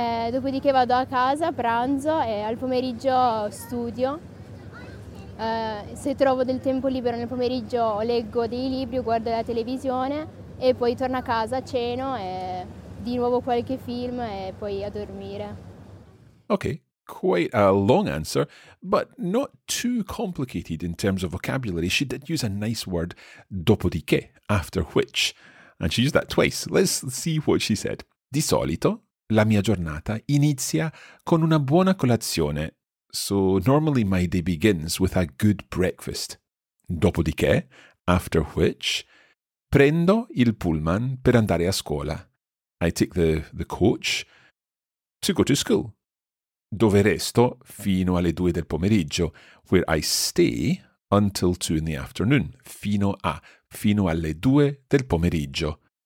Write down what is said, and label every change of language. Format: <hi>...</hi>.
<it>Dopodiché vado a casa, pranzo e al pomeriggio studio. Se trovo del tempo libero nel pomeriggio leggo dei libri, guardo la televisione e poi torno a casa, ceno e di nuovo qualche film e poi a dormire. Ok.</it> <en>Quite a long answer, but not too complicated in terms of vocabulary. She did use a nice word, dopodiché, after which, and she used that twice. Let's see what she said.</en> <it>Di solito, la mia giornata inizia con una buona colazione.</it> <en>So normally my day begins with a good breakfast.</en> <it>Dopodiché,</it> <en>after which,</en> <it>prendo il pullman per andare a scuola.</it> <en>I take the coach to go to school.</en> <it>Dove resto fino alle 2 del pomeriggio,</it> <en>where I stay until 2 in the afternoon,</en> <it>fino alle 2 del pomeriggio.</it>